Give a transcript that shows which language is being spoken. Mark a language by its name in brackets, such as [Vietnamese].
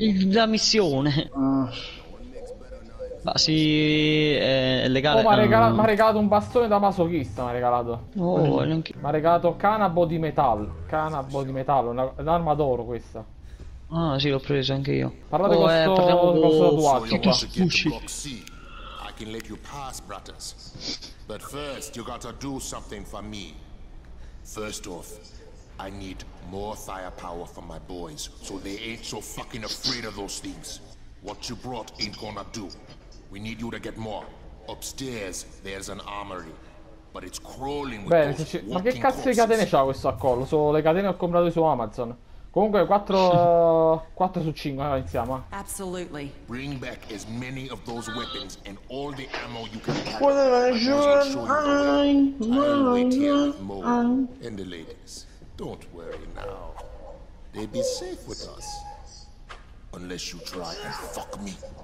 [Italian] La missione. Ma si sì, è legale. Oh, mi ha regalato un bastone da masochista. Mi ha regalato canabo di metallo. Canabo di metallo, un'arma d'oro questa. Ah si sì, l'ho preso anche io. Parlate con sto tuo qua. Fucci. [English] I can let you pass, brothers. But first you gotta do something for me. First off, I need more firepower for my boys, so they ain't so fucking afraid of those things. What you brought ain't gonna do. We need you to get more. Upstairs there's an armory, but it's crawling with those walking corpses. [Italian] Ma che cazzo di catene c'ha questo a collo? So, le catene ho comprato su Amazon. Comunque 4 4 su 5, allora iniziamo. [English] Absolutely. Bring back as many of those weapons and all the ammo you can carry. And the ladies. Don't worry now. They be safe with us. Unless you try and fuck me.